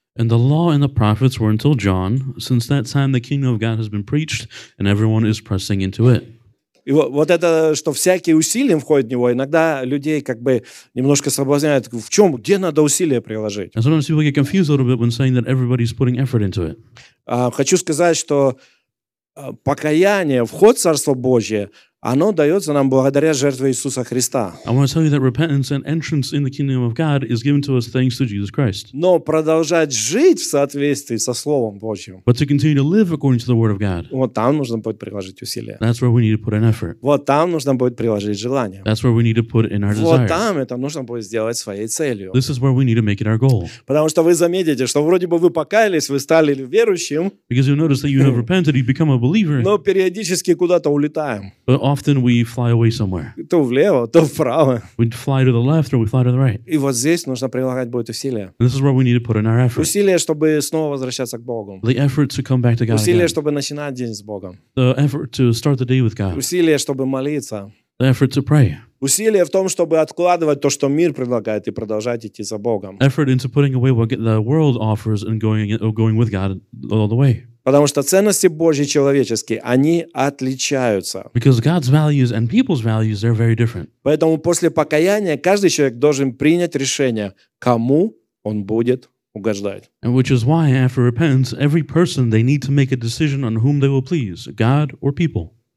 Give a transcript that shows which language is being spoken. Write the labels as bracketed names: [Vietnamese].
[English] And the law and the prophets were until John, since that time the kingdom of God has been preached and everyone is pressing into it. [Russian] И вот, вот это, что всякий усилием входит в него, иногда людей как бы немножко соблазняют, в чем, где надо усилия приложить. [English] And sometimes people get confused a little bit when saying that everybody's putting effort into it. [Russian] Хочу сказать, что покаяние, вход в Царство Божие, оно дается нам благодаря жертве Иисуса Христа. [English] I want to tell you that repentance and entrance in the kingdom of God is given to us thanks to Jesus Christ. [Russian] Но продолжать жить в соответствии со Словом Божьим. [English] But to continue to live according to the Word of God. [Russian] Вот там нужно будет приложить усилия. [English] That's where we need to put an effort. [Russian] Вот там нужно будет приложить желание. [English] That's where we need to put in our desire. [Russian] Вот там это нужно будет сделать своей целью. [English] This is where we need to make it our goal. [Russian] Потому что вы заметите, что вроде бы вы покаялись, вы стали верующим. [English] Because you notice that you have repented, you become a believer. [Russian] Но периодически куда-то улетаем. [English] But often we fly away somewhere. [Russian] То влево, то вправо. [English] We fly to the left or we fly to the right. [Russian] И вот здесь нужно прилагать будет усилия. [English] And this is where we need to put in our effort. [Russian] Усилия, чтобы снова возвращаться к Богу. [English] The effort to come back to God. [Russian] Усилия, чтобы начинать день с Богом. [English] The effort to start the day with God. [Russian] Усилия, чтобы молиться. [English] The effort to pray. [Russian] Усилия в том, чтобы откладывать то, что мир предлагает, и продолжать идти за Богом. [English] Effort into putting away what the world offers and going with God all the way. [Russian] Потому что ценности Божьи человеческие, они отличаются. [English] Because God's values and people's values are very different. [Russian] Поэтому после покаяния каждый человек должен принять решение, кому он будет угождать. [English] And which is why after repentance, every person they need to make a decision on whom they will please, God or people.